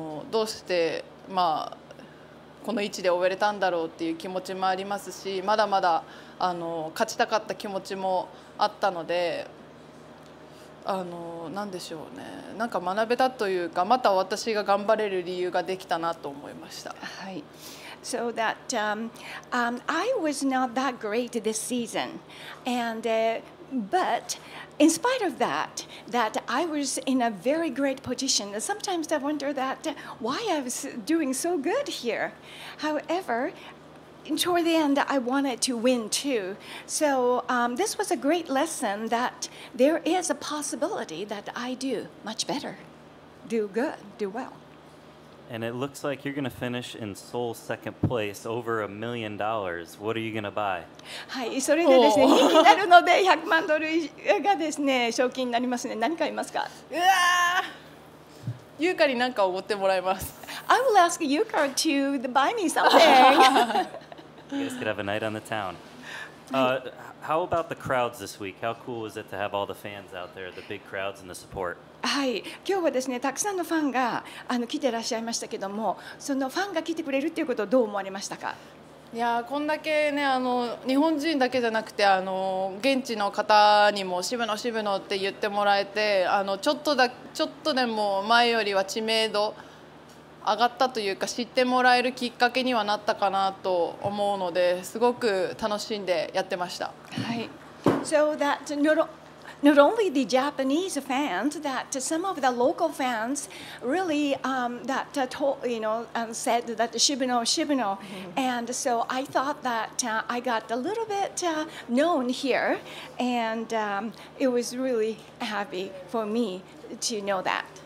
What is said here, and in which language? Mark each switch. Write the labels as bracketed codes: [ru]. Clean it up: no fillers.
[ja] どうして、まあ、この位置で終えれたんだろうっていう気持ちもありますし、まだまだ勝ちたかった気持ちもあったので、何でしょうね、なんか学べたというか、また私が頑張れる理由ができたなと思いました。はい。 [en] So that, I was not that great this season. And, but in spite of that, that I was in a very great position. Sometimes I wonder that why I was doing so good here. However, toward the end, I wanted to win too. So this was a great lesson that there is a possibility that I do much better, do good, do well. And it looks like you're going to finish in Seoul second place, over $1 million. What are you going to buy? [ja] はい、それでですね、2位になるので100万ドルがですね、賞金になりますね。何買いますか？うわー、ユーカリなんかおごってもらいます。 [en] I will ask Yukari to buy me something. You guys could have a night on the town. How about the crowds this week? How cool was it to have all the fans out there, the big crowds and the support? [ja] はい、今日はですね、たくさんのファンが来てらっしゃいましたけども、そのファンが来てくれるっていうことをどう思われましたか？いや、こんだけね、日本人だけじゃなくて、現地の方にも渋野渋野って言ってもらえて、ちょっとでも前よりは知名度上がったというか、知ってもらえるきっかけにはなったかなと思うので、すごく楽しんでやってました。はい、 [en] so that not only the Japanese fans, that some of the local fans really that told, you know, and said that Shibuno, Shibuno. And so I thought that I got a little bit known here, and it was really happy for me to know that.